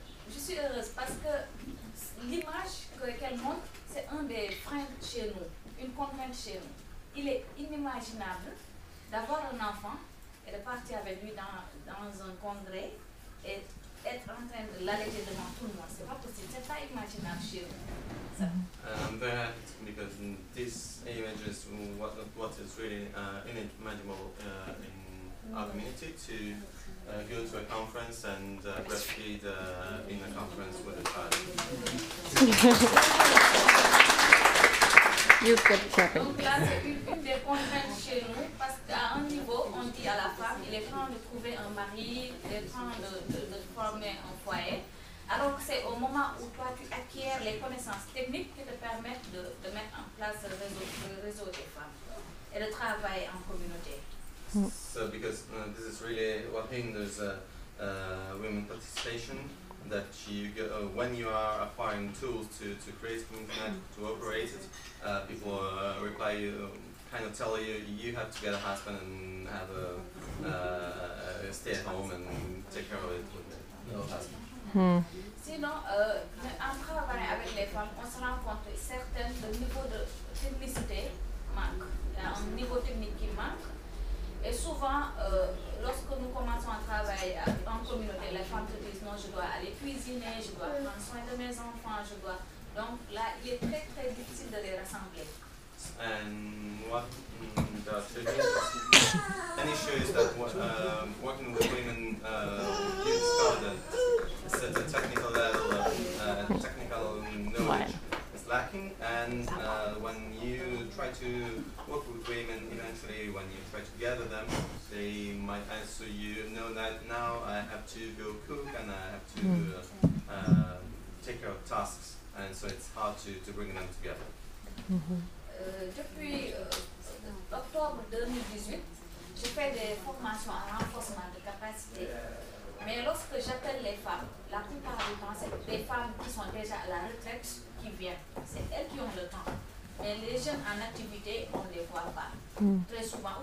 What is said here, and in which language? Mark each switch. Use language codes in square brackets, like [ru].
[fr] Je suis heureuse parce que l'image qu'elle montre, c'est un des freins chez nous, une contrainte chez nous. Il est inimaginable d'avoir un enfant et de partir avec lui dans un congrès et être en train de l'allaiter devant tout le monde. C'est pas possible, c'est pas imaginable chez nous. [en] I'm very happy because this image is what is really inimaginable in our community, to go to a conference and breastfeed in a conference with a child. You kept clapping. [fr] Donc là, c'est une des contraintes chez nous, parce qu'à un niveau, on dit à la femme, il est temps de trouver un mari, il est temps de former un foyer. Alors que c'est au moment où toi tu acquiers les connaissances techniques qui te permettent de mettre en place le réseau des femmes et le travail en communauté. [en] So because this is really what hinders women participation, that you go, when you are acquiring tools to create community network, to operate it, people reply you, kind of tell you, you have to get a husband and have a stay at home and take care of it with your husband. [fr] Sinon, en travaillant avec les femmes, on se rend compte que certains niveaux de technicité manquent. Il y a un niveau technique qui manque. Et souvent, lorsque nous commençons à travailler en communauté, et les femmes te disent non, je dois aller cuisiner, je dois prendre soin de mes enfants, je dois. Donc là, il est très très difficile de les rassembler. [en] And what the feminist an issue is that working with women gives garden a technical level of technical knowledge is lacking, and when you try to work with women, eventually when you try to gather them, they might answer you, no, that now I have to go cook and I have to take care of tasks, and so it's hard to bring them together. Mm-hmm. [fr] Depuis octobre 2018, je fais des formations en renforcement de capacité. Mais lorsque j'appelle les femmes, la plupart du temps, c'est des femmes qui sont déjà à la retraite qui viennent. C'est elles qui ont le temps. Mais les jeunes en activité, on ne les voit pas très souvent.